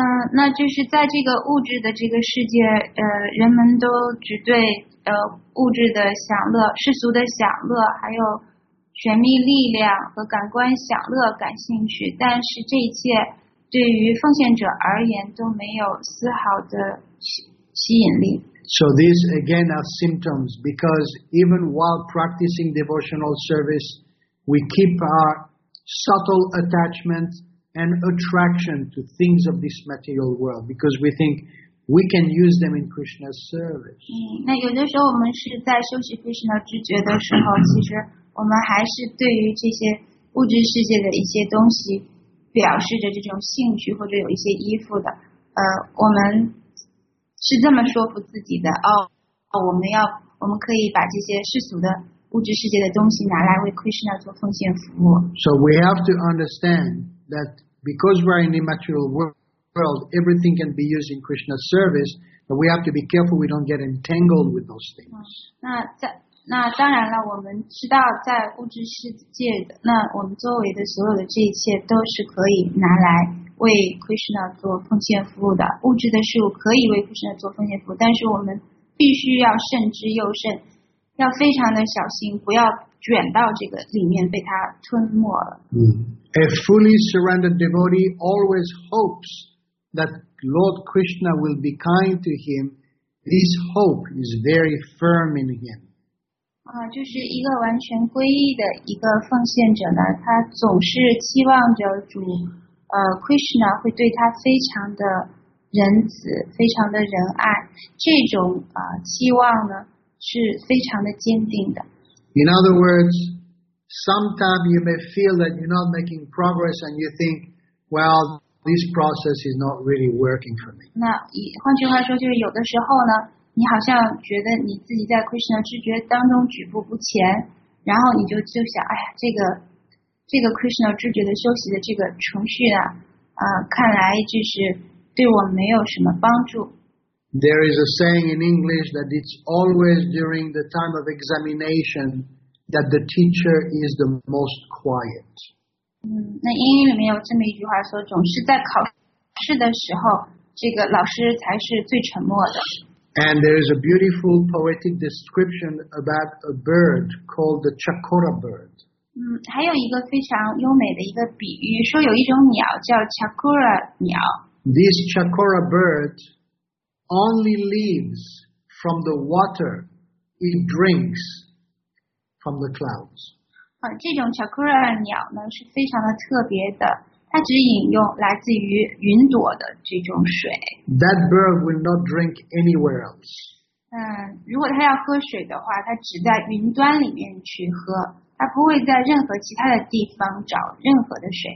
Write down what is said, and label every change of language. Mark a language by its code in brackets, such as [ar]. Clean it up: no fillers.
[zh] 那就是在这个物质的这个世界，人们都只对物质的享乐、世俗的享乐，还有权力、力量和感官享乐感兴趣，但是这一切对于奉献者而言都没有丝毫的吸引力。 [en] So these again are symptoms because even while practicing devotional service, we keep our subtle attachment and attraction to things of this material world because we think we can use them in Krishna's service. [zh] 那有的时候我们是在修习 Krishna 知觉的时候，其实我们还是对于这些物质世界的一些东西表示着这种兴趣或者有一些依附的。我们。是这么说服自己的我们可以把这些世俗的物质世界的东西拿来为 Krishna 做奉献服务。 [en] So we have to understand that because we're in the material world, world, everything can be used in Krishna's service, but we have to be careful we don't get entangled with those things. [zh] 那当然了，我们知道在物质世界，那我们周围的所有的这一切都是可以拿来为 Krishna 做奉献服务的。物质的事物可以为 Krishna 做奉献服务，但是我们必须要慎之又慎，要非常的小心，不要卷到这个里面被它吞没了。 [en] A fully surrendered devotee always hopes that Lord Krishna will be kind to him. This hope is very firm in him. [zh] 就是一个完全皈依的一个奉献者呢，他总是期望着主，Krishna 会对他非常的仁慈，非常的仁爱。这种期望呢，是非常的坚定的。 [en] In other words, sometimes you may feel that you're not making progress, and you think, well, this process is not really working for me. [zh] 那换句话说，就是有的时候呢。你好像觉得你自己在 Krishna 知觉当中举步不前，然后你就想，哎呀，这个 Krishna 知觉的休息的这个程序啊，看来就是对我没有什么帮助。 [en] There is a saying in English that it's always during the time of examination that the teacher is the most quiet. [zh] 那英语里面有这么一句话说，总是在考试的时候，这个老师才是最沉默的。 [en] And there is a beautiful poetic description about a bird called the Chakora bird. [zh] 还有一个非常优美的一个比喻，说有一种鸟叫 Chakora 鸟。 [en] This Chakora bird only lives from the water it drinks from the clouds. [zh] 这种 Chakora 鸟呢是非常的特别的。它只饮用来自于云朵的这种水。 [en] That bird will not drink anywhere else. [zh] 如果它要喝水的话，它只在云端里面去喝，它不会在任何其他的地方找任何的水。